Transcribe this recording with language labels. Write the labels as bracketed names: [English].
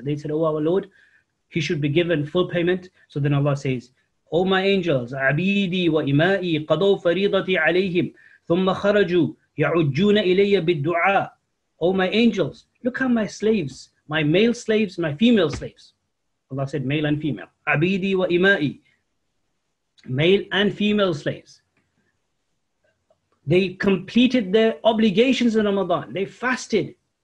[English] They said, oh our Lord, he should be given full payment. So then Allah says, O my angels, [Arabic] عبيدي وإمائي قضوا فريضتي عليهم ثم خرجوا يعجون إلي بالدعاء. [English] O my angels, look at my slaves, my male slaves, my female slaves. Allah said male and female. [Arabic] عبيدي وإمائي, [English] male and female slaves. They completed their obligations in Ramadan. They fasted.